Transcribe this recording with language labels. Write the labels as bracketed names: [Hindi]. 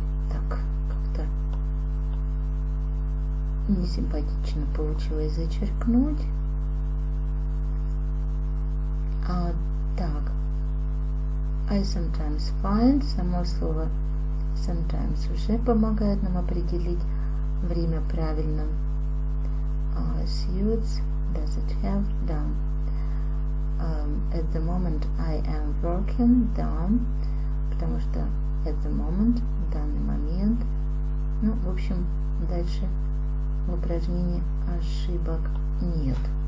[Russian] Так, как-то несимпатично получилось зачеркнуть. Так. [English] I sometimes find, [Russian] само слово sometimes уже помогает нам определить время правильно. [English] Suits, does it have, [Russian] да. [English] At the moment I am working, [Russian] да. Потому что [English] at the moment, [Russian] в данный момент. Ну, в общем, дальше в упражнении ошибок нет.